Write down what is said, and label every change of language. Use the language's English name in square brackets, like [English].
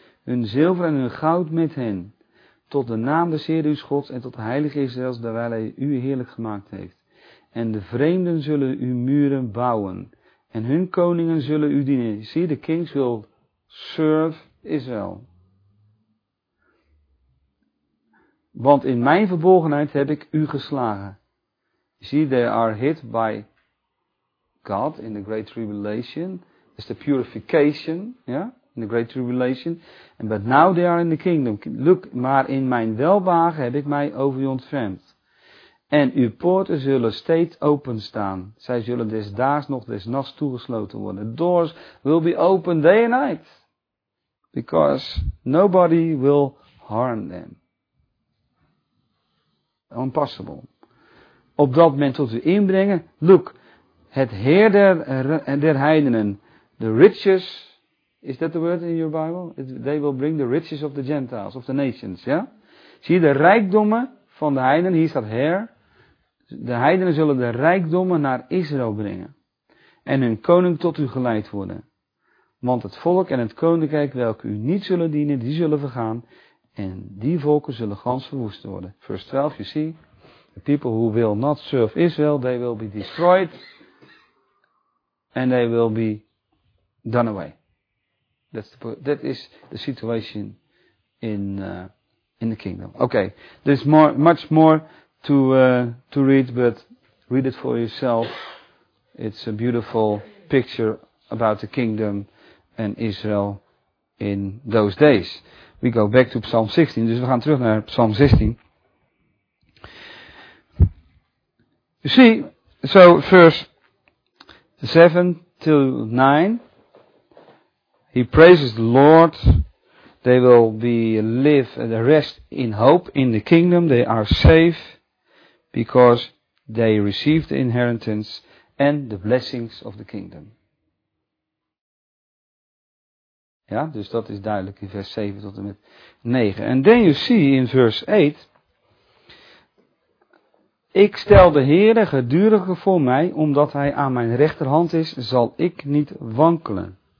[Dutch] Hun zilver en hun goud met hen. Tot de naam des Heer uw Gods en tot de Heilige Israëls, terwijl hij u heerlijk gemaakt heeft. En de vreemden zullen uw muren bouwen. En hun koningen zullen u dienen. [English] See, the kings will serve Israel. [Dutch] Want in mijn verborgenheid heb ik u geslagen. [English] See, they are hit by God in the great tribulation. It's the purification, yeah? In the great tribulation. And but now they are in the kingdom. [Dutch] Look, maar in mijn welbehagen heb ik mij over u ontfermd. En uw poorten zullen steeds openstaan. Zij zullen desdaags nog desnachts toegesloten worden. [English] Doors will be open day and night. Because nobody will harm them. [Dutch] Impossible. Op dat moment tot u inbrengen. Look, het Heer der heidenen. [English] The riches. Is that the word in your Bible? They will bring the riches of the Gentiles, of the nations. Yeah? [Dutch] Zie je de rijkdommen van de heidenen. Hier staat Heer. De heidenen zullen de rijkdommen naar Israël brengen. En hun koning tot u geleid worden. Want het volk en het koninkrijk welke u niet zullen dienen, die zullen vergaan. En die volken zullen gans verwoest worden. [English] Verse 12, you see. The people who will not serve Israel, they will be destroyed. And they will be done away. That is the situation in the kingdom. Okay, there's much more to read, but read it for yourself. It's a beautiful picture about the kingdom and Israel in those days. We go back to Psalm 16. [Dutch] Dus we gaan terug naar Psalm 16. [English] You see, so verse 7 till 9. He praises the Lord. They will be live and rest in hope in the kingdom. They are safe because they received the inheritance and the blessings of the kingdom. [Dutch] Ja, dus dat is duidelijk in vers 7 tot en met 9. [English] And then you see in verse 8. [Dutch] Ik stel de Heere gedurig voor mij, omdat hij aan mijn rechterhand is, zal ik niet wankelen.